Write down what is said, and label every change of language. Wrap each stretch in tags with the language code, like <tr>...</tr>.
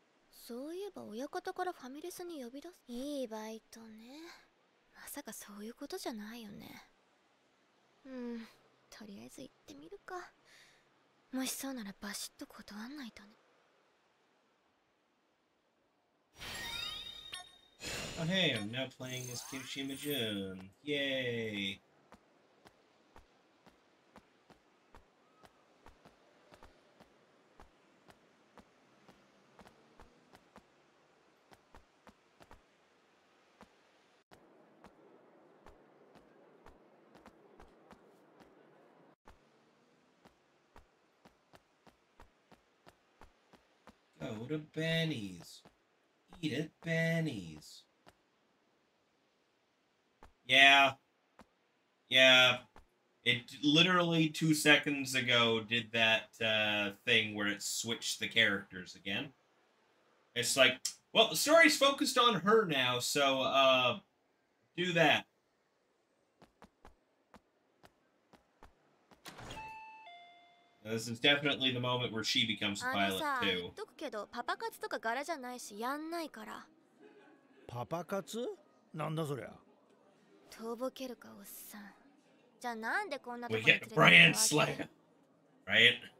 <ja>そういえば親方からファミレスに呼び出す。いいバイトね。まさかそういうことじゃないよね。とりあえず行ってみるか。もしそうならバシッと断んないとね。</ja> <en>Oh hey, I'm now playing as Kirishima Jun. Yay! Go to Benny's. Eat at Benny's. Yeah, it literally 2 seconds ago did that thing where it switched the characters again. It's like, well, the story's focused on her now, so do that. Now, this is definitely the moment where she becomes a pilot, too.</en> <ja>言っとくけど、パパ活とか柄じゃないし、やんないから。パパ活？なんだそりゃ。とぼけるかおっさん。じゃあなんでこんなとこに連れてくるわけ？</ja> <en>We get Brian Slayer, right?</en>